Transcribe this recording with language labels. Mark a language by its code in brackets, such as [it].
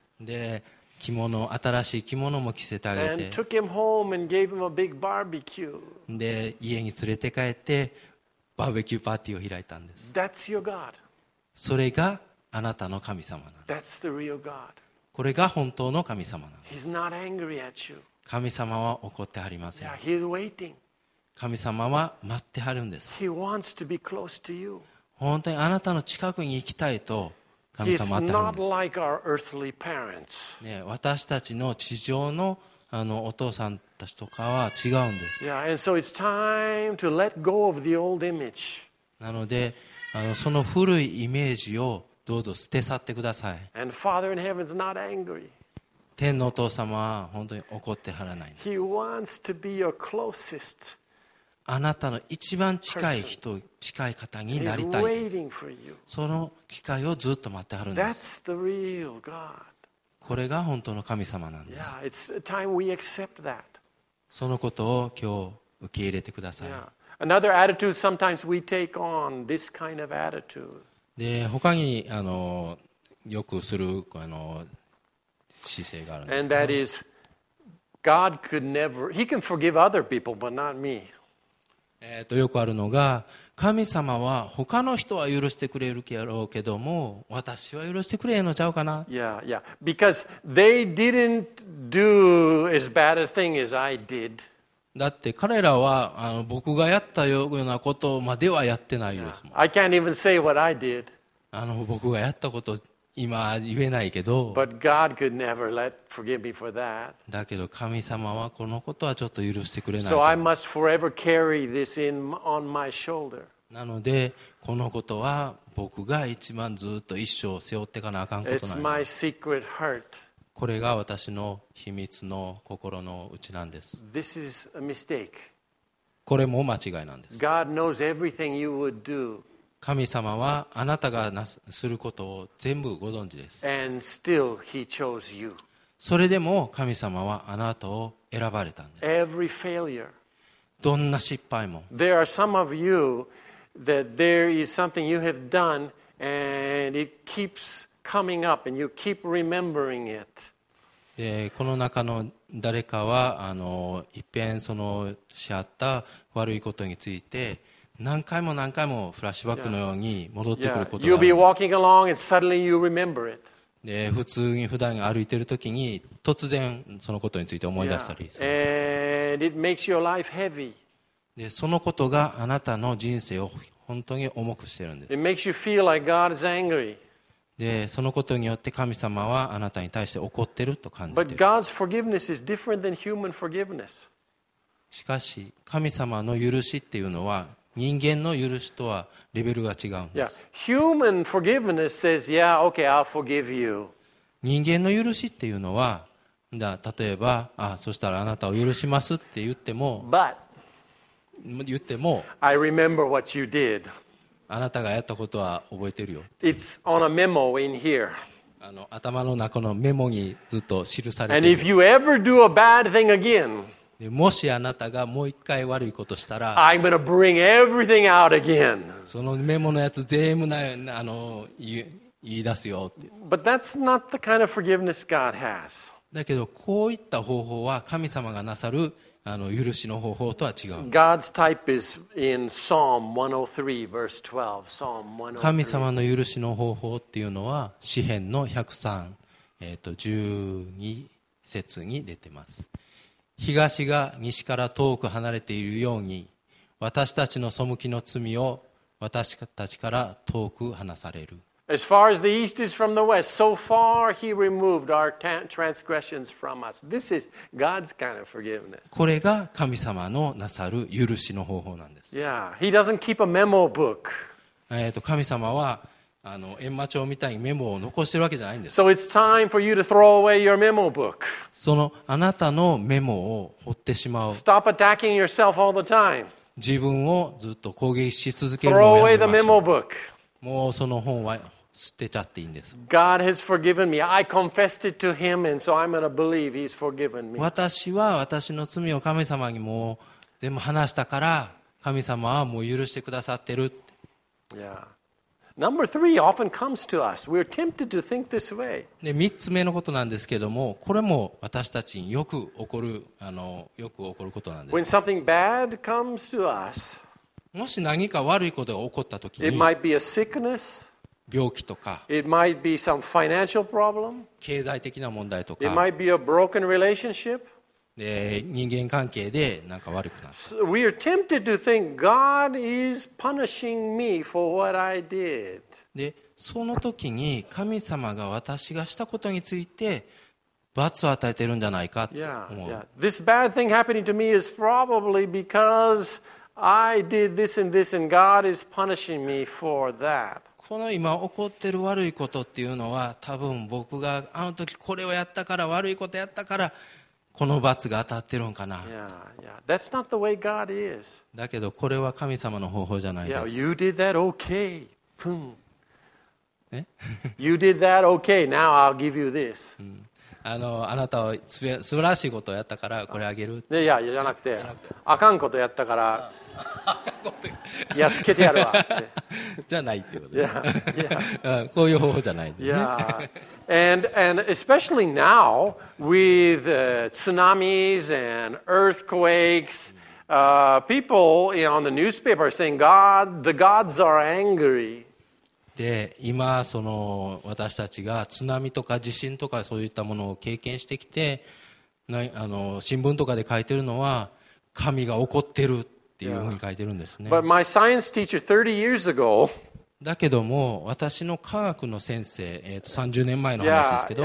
[ja] で、着物、新しい着物も着せてあげて、 [en] and took him home and gave him a big barbecue. [ja] で、家に連れて帰って、バーベキューパーティーを開いたんです。 [en] That's your God. [ja] それがあなたの神様なんです。 [en] That's the real God. [ja] これが本当の神様なんです。神様は怒ってはりません。神様は待ってはるんです。本当にあなたの近くに行きたいと神様は待ってはるんです。ね、私たちの地上の、あのお父さんたちとかは違うんです。なのであのその古いイメージをどうぞ捨て去ってください。 [en] And Father in heaven's not angry. [ja] 天のお父様は本当に怒ってはらないんです。 [en] He wants to be your closest [ja] あなたの一番近い人、近い方になりたい。 [en] He's waiting for you. [ja] その機会をずっと待ってはるんです。 [en] That's the real God. [ja] これが本当の神様なんです。 [en] Yeah, it's time we accept that. [ja] そのことを今日受け入れてください。 [en] Yeah. Another attitude, sometimes we take on this kind of attitude. [ja] で他にあのよくするあの姿勢があるんです。 [en] And that is, God could never, He can forgive other people, but not me. [ja] よくあるのが、神様は他の人は許してくれるやろうけども、私は許してくれへんのちゃうかな。 [en] Yeah, yeah. Because they didn't do as bad a thing as I did. [ja] だって彼らはあの僕がやったようなことまではやってないですもん。 [en] I can't even say what I did. [ja] あの僕がやったこと今言えないけど。 [en] But God could never let forgive me for that. [ja] だけど神様はこのことはちょっと許してくれない。 [en] So I must forever carry this in on my shoulder. [ja] なのでこのことは僕が一番ずっと一生背負ってかなあかんことなんです。 [en] It's my secret hurt. [ja] これが私の秘密の心の内なんです。 [en] This is a mistake. [ja] これも間違いなんです。 [en] God knows everything you would do. [ja] 神様はあなたがすることを全部ご存知です。 [en] And still he chose you. [ja] それでも神様はあなたを選ばれたんです。 [en] Every failure. [ja] どんな失敗も。 [en] There are some of you that there is something you have done and it keeps... coming up and you keep remembering it. [ja] で、この中の誰かはあの一遍そのしあった悪いことについて何回も何回もフラッシュバックのように戻ってくることがあります。 [en] You'll be walking along and suddenly you remember it. [ja] で、普通に普段歩いてるときに突然そのことについて思い出したりする。 [en] And it makes your life heavy. [ja] で、そのことがあなたの人生を本当に重くしてるんです。 [en] It makes you feel like God is angry. [ja] でそのことによって神様はあなたに対して怒ってると感じている。 [en] But God's forgiveness is different than human forgiveness. [ja] しかし神様の許しっていうのは人間の許しとはレベルが違うんです。 [en] Yeah. Human forgiveness says, yeah, okay, I'll forgive you. [ja] 人間の許しっていうのは、例えば、あ、そしたらあなたを許しますって言っても、 [en] But [ja] 言っても、 [en] I remember what you did. [ja] あなたがやったことは覚えてるよ。 [en] It's on a memo in here. [ja] あの頭の中のメモにずっと記されて [en] る。And if you ever do a bad thing again, [ja] でもしあなたがもう一回悪いことしたら、 [en] I'm gonna bring everything out again. [ja] そのメモのやつ全部なあの言い出すよって。 [en] But that's not the kind of forgiveness God has. [ja] だけどこういった方法は神様がなさる。あの許しの方法とは違う。 [en] God's type is in Psalm 103, verse 12. Psalm 103. [ja] 神様の許しの方法っていうのは詩編の103、12節に出てます。東が西から遠く離れているように、私たちの背きの罪を私たちから遠く離される。 [en] As far as the east is from the west, so far he removed our transgressions from us. This is God's kind of forgiveness. [ja] これが神様のなさる許しの方法なんです。 [en] Yeah, he doesn't keep a memo book. [ja] 神様はあの閻魔帳みたいにメモを残してるわけじゃないんです。 [en] So it's time for you to throw away your memo book. [ja] そのあなたのメモを掘ってしまう。 [en] Stop attacking yourself all the time. [ja] 自分をずっと攻撃し続けるのをやめましょう。 [en] Throw away the memo book. [ja] もうその本は捨てちゃっていいんです。 [en] God has forgiven me. I confessed it to him, and so I'm going to believe he's forgiven me. [ja] 私は私の罪を神様にもう全部話したから、神様はもう許してくださってるって。 [en] Yeah. Number three often comes to us. We're tempted to think this way. [ja] で、三つ目のことなんですけども、これも私たちによく起こる、よく起こることなんです。 [en] When something bad comes to us, [ja] もし何か悪いことが起こったときに、 [en] it might be a sickness. [ja] 病気とか、 [en] It might be some financial problem. [ja] 経済的な問題とか、 [en] It might be a broken relationship. [ja] で、人間関係でなんか悪くなった [en] 。We are tempted to think God is punishing me for what I did. [ja] で、その時に神様が私がしたことについて罰を与えてるんじゃないかって思う。 [en] Yeah, yeah. This bad thing happening to me is probably because I did this and this and God is punishing me for that. [ja] この今起こってる悪いことっていうのは、多分僕があの時これをやったから、悪いことやったからこの罰が当たってるんかな。 [en] yeah, yeah. That's not the way God is. [ja] だけどこれは神様の方法じゃないです。 [en] yeah, You did that okay. Boom. [ja] え？ [en] You did that okay. Now I'll give you this. [ja] あなたは素晴らしいことをやったからこれあげる。いやいや、じゃなくて、あかんことやったからやっつけてやるわってじゃないってこと [en] ね。yeah, yeah. [ja] こういう方法じゃないんだよね。 [en] yeah. and especially now with tsunamis and earthquakes, people on the newspaper are saying God, the gods are angry. [ja] で、今その私たちが津波とか地震とかそういったものを経験してきて、新聞とかで書いてるのは神が怒ってる。っていうふうに書いてるんですね。 [en] But my science teacher 30 years ago, [ja] だけども私の科学の先生、30年前の話ですけど、